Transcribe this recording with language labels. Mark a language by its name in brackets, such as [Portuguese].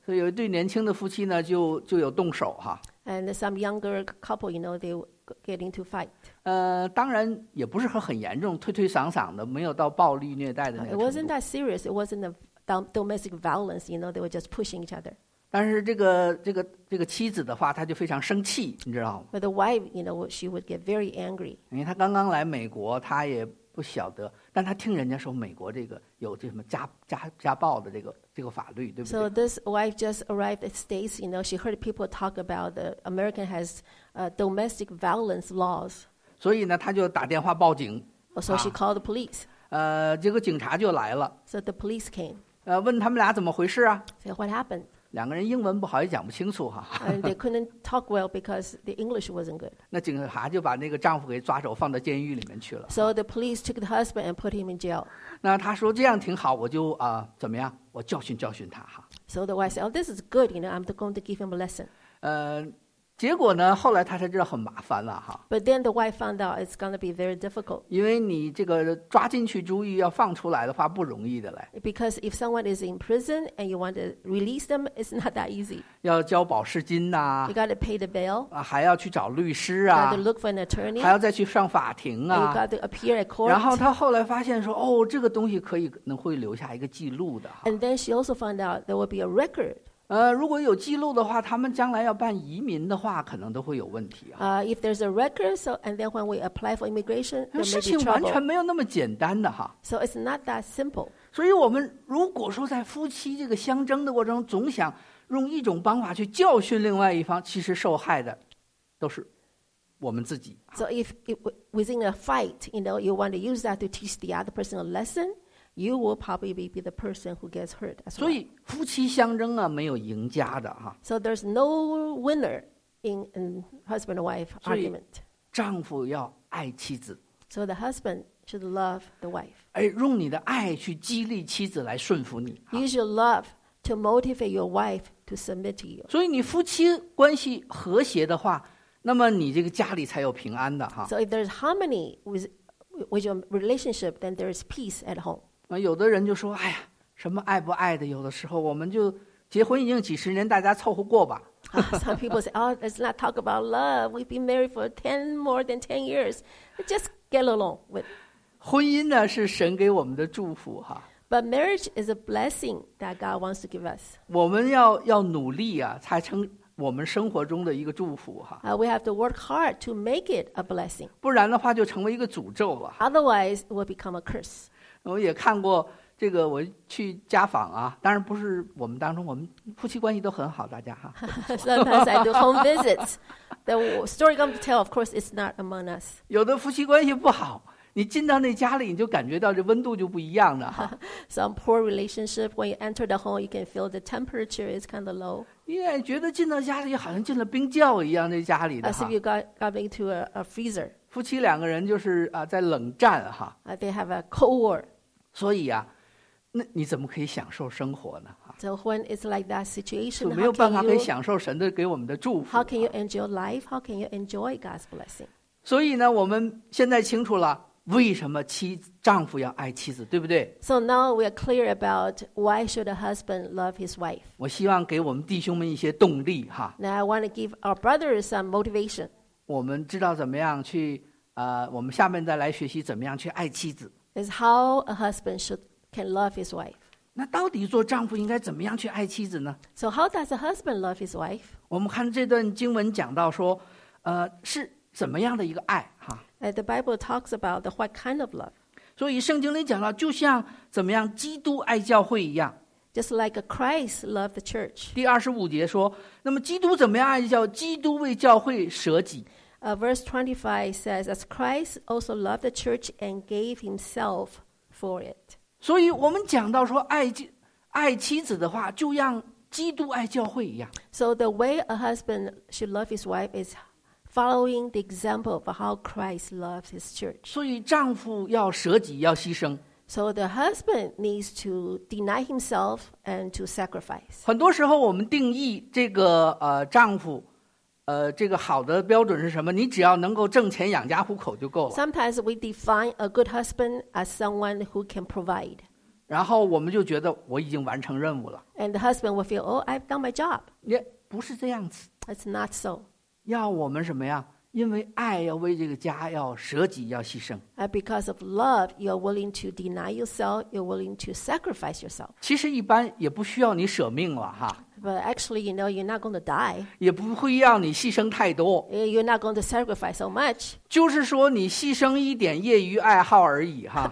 [Chinese] 所以有一对年轻的夫妻呢，就有动手哈。 [English] And some younger couple, you know, they get into fight. [Chinese] 当然也不是很严重，推推搡搡的，没有到暴力虐待的那个程度。 [English] It wasn't that serious. It wasn't a domestic violence. You know, they were just pushing each other. [Chinese] 但是这个妻子的话，她就非常生气，你知道吗 [English] ？But the wife, you know, she would get very angry. [Chinese] 因为她刚刚来美国，她也不晓得，但她听人家说美国这个有这什么家暴的这个法律，对不对 [English] ？So this wife just arrived at states. You know, she heard people talk about the American has domestic violence laws. [Chinese] 所以呢，她就打电话报警。 [English] So she called the police. [Chinese] 结果警察就来了。 [English] So the police came. [Chinese] 问他们俩怎么回事啊 [English] ？So what happened? [Chinese] 两个人英文不好也讲不清楚哈。 [English] And they couldn't talk well because the English wasn't good. [Chinese] 那警察就把那个丈夫给抓走，放到监狱里面去了。 [English] So the police took the husband and put him in jail. [Chinese] 那他说这样挺好，我就怎么样？我教训教训他哈。 [English] So the wife said, "Oh, this is good. You know, I'm going to give him a lesson." [Chinese] 结果呢？后来他才知道很麻烦了哈。 [English] But then the wife found out it's going to be very difficult. [Chinese] 因为你这个抓进去注意要放出来的话不容易的嘞。 [English] Because if someone is in prison and you want to release them, it's not that easy. [Chinese] 要交保释金呐、 [English] You got to pay the bail. [Chinese] 还要去找律师啊。 [English] You got to look for an attorney. [Chinese] 还要再去上法庭啊。 [English] You got to appear at court. [Chinese] 然后他后来发现说，哦，这个东西可以能会留下一个记录的。 [English] And then she also found out there will be a record. [Chinese] 如果有记录的话，他们将来要办移民的话，可能都会有问题啊。 [English] If there's a record, so and then when we apply for immigration, there may be trouble. [Chinese] 事情完全没有那么简单的哈。 [English] So it's not that simple. [Chinese] 所以我们如果说在夫妻这个相争的过程中，总想用一种方法去教训另外一方，其实受害的都是我们自己。 [English] So if within a fight, you know, you want to use that to teach the other person a lesson. You will probably be the person who gets hurt. As well. [Chinese] 所以夫妻相争啊，没有赢家的哈。 [English] So there's no winner in husband and wife argument. [Chinese] 所以丈夫要爱妻子。 [English] So the husband should love the wife. [Chinese] 哎，用你的爱去激励妻子来顺服你。 [English] Use your love to motivate your wife to submit to you. [Chinese] 所以你夫妻关系和谐的话，那么你这个家里才有平安的哈。 [English] So if there's harmony with your relationship, then there is peace at home. [Chinese] 有的人就说哎呀什么爱不爱的有的时候我们就结婚已经几十年大家凑合过吧。 [English] Some people say, oh, let's not talk about love. We've been married for 10 more than 10 years. Just get along with. [Chinese] 婚姻呢是神给我们的祝福哈。 [English] But marriage is a blessing that God wants to give us. [Chinese] 我们要努力啊才成我们生活中的一个祝福哈。 [English] We have to work hard to make it a blessing. [Chinese] 不然的话就成为一个诅咒了。 [English] Otherwise, it will become a curse. [Chinese] 我也看过这个我去家访啊，当然不是我们当中，我们夫妻关系都很好，大家哈。 [English] Sometimes I do home visits. The story I'm going to tell, of course, is not among us. [Chinese] 有的夫妻关系不好，你进到那家里，你就感觉到这温度就不一样了哈。 [English] Some poor relationship, when you enter the home, you can feel the temperature is kind of low. [Chinese] 你也觉得进到家里好像进了冰窖一样，那家里的哈。 [English] As if you got into a freezer. [Chinese] 夫妻两个人就是啊，在冷战哈。 [English] They have a cold war. [Chinese] 所以啊，那你怎么可以享受生活呢？ [English] So when it's like that situation, [Chinese] 就没有办法可以享受神的给我们的祝福。 [English] How can you enjoy life? How can you enjoy God's blessing? [Chinese] 所以呢，我们现在清楚了为什么丈夫要爱妻子，对不对？ [English] So now we are clear about why should a husband love his wife. [Chinese] 我希望给我们弟兄们一些动力哈。 [English] Now I want to give our brothers some motivation. [Chinese] 我们知道怎么样去我们下面再来学习怎么样去爱妻子。 [English] Is how a husband can love his wife. [Chinese] 那到底做丈夫应该怎么样去爱妻子呢？ [English] So how does a husband love his wife? [Chinese] 我们看这段经文讲到说，是怎么样的一个爱哈？ [English] The Bible talks about the what kind of love. [Chinese] 所以圣经里讲到，就像怎么样基督爱教会一样。 [English] Just like Christ loved the church. [Chinese] 第二十五节说，那么基督怎么样爱教？基督为教会舍己。 [English] Verse 25 says, as Christ also loved the church and gave himself for it. [Chinese] 所以我们讲到说爱妻子的话，就像基督爱教会一样。 [English] So the way a husband should love his wife is following the example of how Christ loves his church. [Chinese] 所以丈夫要舍己，要牺牲。 [English] So the husband needs to deny himself and to sacrifice. [Chinese] 很多时候我们定义这个丈夫这个好的标准是什么？你只要能够挣钱养家糊口就够了。 [English] Sometimes we define a good husband as someone who can provide. [Chinese] 然后我们就觉得我已经完成任务了。 [English] And the husband will feel, oh, I've done my job. [Chinese] 也不是这样子。 [English] It's not so. [Chinese] 要我们什么呀？因为爱要为这个家要舍己要牺牲。 [English] Because of love, you're willing to deny yourself, you're willing to sacrifice yourself. [Chinese] 其实一般也不需要你舍命了哈。 [English] But actually, you know, you're not going to die. [Chinese] 也不会让你牺牲太多。 [English] You're not going to sacrifice so much. [Chinese] 就是说你牺牲一点业余爱好而已哈。